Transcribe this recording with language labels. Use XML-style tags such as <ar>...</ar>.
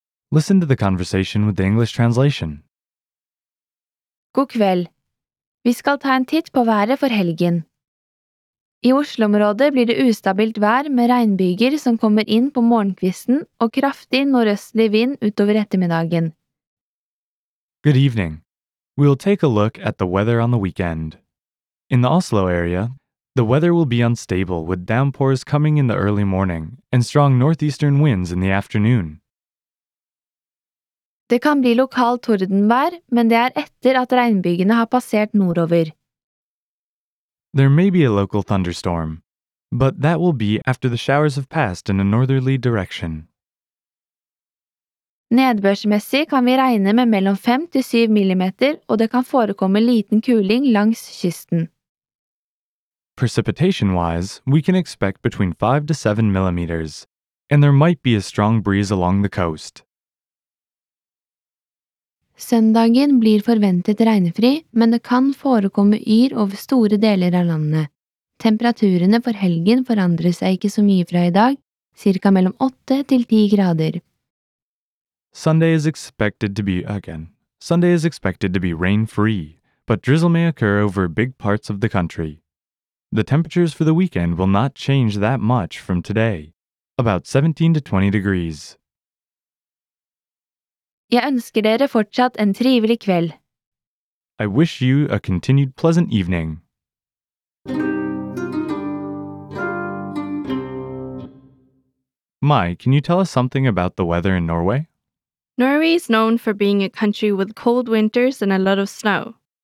<en>Listen to the conversation with the English translation.</en> <no>God kveld. Vi skal ta en titt på været for helgen. I Oslo-området blir det ustabilt vær med regnbyger som kommer inn på morgenkvisten og kraftig nordøstlig vind utover ettermiddagen.</no> <en>Good evening. We will take a look at the weather on the weekend. In the Oslo area, the weather will be unstable with downpours coming in the early morning and strong northeastern winds in the afternoon.</en> <no>Det kan bli lokal tordenvær, men det etter at regnbygene har passert nordover.</no> <en>There may be a local thunderstorm, but that will be after the showers have passed in a northerly direction.</en> <no>Nedbørsmessig kan vi regne med mellom 5-7 millimeter, og det kan forekomme liten kuling langs kysten.</no> <en>Precipitation-wise, we can expect between 5-7 millimeters, and there might be a strong breeze along the coast.</en> <no>Søndagen blir forventet regnfri, men det kan forekomme yr over store deler av landet. Temperaturene for helgen forandrer seg ikke så mye fra I dag, cirka mellom 8-10 grader.</no> <en>Sunday is expected to be rain-free, but drizzle may occur over big parts of the country. The temperatures for the weekend will not change that much from today, about 17-20 degrees.</en> <no>Jeg ønsker dere fortsatt en trivelig kveld.</no> <en>I wish you a continued pleasant evening. Mai, can you tell us something about the weather in Norway? Norway is known for being a country with cold winters and a lot of snow.</en>